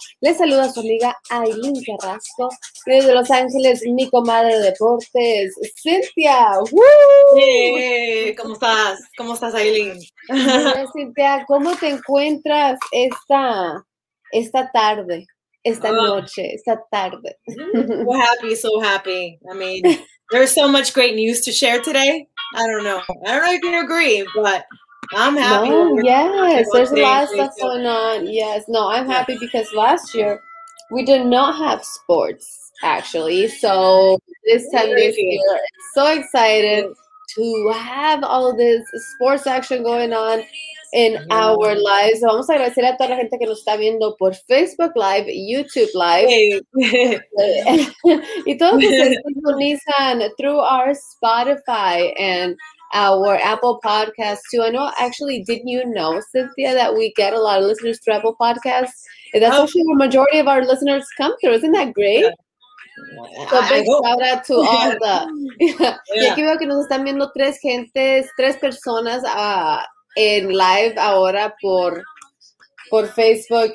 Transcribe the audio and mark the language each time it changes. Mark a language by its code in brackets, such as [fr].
[es] Les saluda su amiga Aileen Carrasco, desde Los Ángeles, mi comadre de deportes, Cintia. ¿Cómo estás? ¿Cómo estás, Aileen? Bueno, Cintia, ¿cómo te encuentras esta tarde, esta noche, esta tarde? [en] So happy, so happy. I mean, there's so much great news to share today. I don't know if you agree, but I'm happy. No, yes, there's a lot of stuff going on. Yes, no, I'm happy because last year we did not have sports, actually. So this time this year, so excited to have all this sports action going on in our lives. [es] Vamos a agradecer a toda la gente que nos está viendo por Facebook Live, YouTube Live. Y todos los que se sintonizan [en] through our Spotify and our Apple Podcasts too. I know, actually, didn't you know, Cynthia, that we get a lot of listeners through Apple Podcasts? And that's actually where the majority of our listeners come through. Isn't that great? Yeah. So big shout out to all the... [es] Y aquí veo que nos están viendo tres personas en live ahora por Facebook.